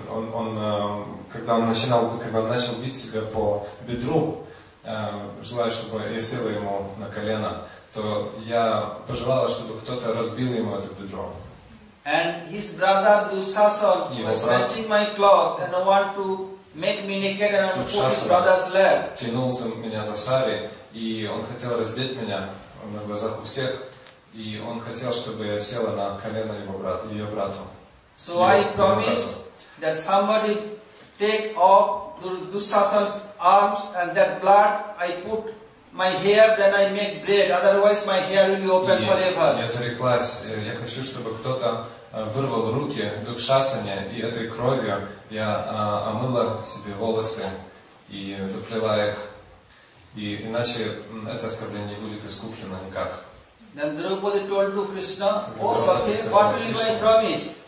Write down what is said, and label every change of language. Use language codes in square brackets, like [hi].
[ru] Когда он начал бить себя по бедру, желая, чтобы я села ему на колено, то я пожелала, чтобы кто-то разбил ему это бедро. [en] And his brother Dushasan was stretching my cloth and want to make me naked and put his brother's lap. [ru] Тянул меня за сари, и он хотел раздеть меня на глазах у всех, и он хотел, чтобы я села на колено его брата, ее брату. [en] So I promised that somebody take off Dushasan's arms and that blood I put my hair, then I make bread. Otherwise, my hair will be open forever. [ru] Я зареклась. Я хочу, чтобы кто-то вырвал руки Дукшасане и этой кровью я омыла себе волосы и заплела их. И иначе это оскорбление не будет искуплено никак. [en] Then Draupadi told to Krishna, "O Sakya, what will be my promise?